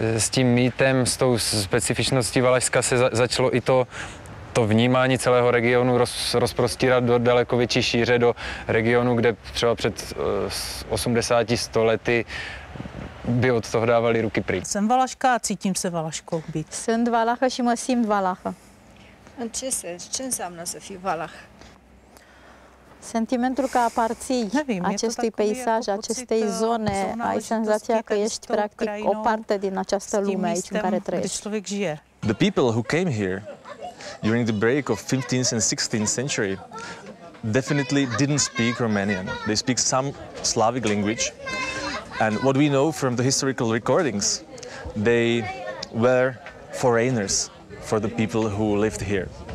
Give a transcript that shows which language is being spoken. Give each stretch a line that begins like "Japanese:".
Czech: tím mýtem, s tou specifičností Valašska se začalo i to vnímání celého regionu rozprostírat do daleko větší šíře, do regionu, kde třeba před 80-100 lety by od toho dávali ruky pryč. Jsem Valaška a cítím se Valaškou být. Jsem
Romanian: Valacha și mă simt Valacha. În ce sens? Ce înseamnă să fii valah? Sentimentul că aparții acestui peisaj, acestei zone, ai senzația că ești practic o parte din această lume aici în care trăiești.
English: The people who came here during the break of 15th and 16th century definitely didn't speak Romanian. They speak some Slavic language. And what we know from the historical recordings, they were foreigners for the people who lived here.